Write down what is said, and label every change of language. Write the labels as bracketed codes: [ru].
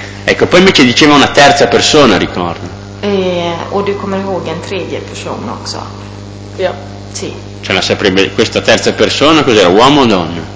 [it] Ecco, poi invece diceva una terza persona, ricordo. [sv] O du kommer ihåg en tredje person också? Ja. [it] Sì. Ce la saprebbe questa terza persona, cos'era, uomo o donna?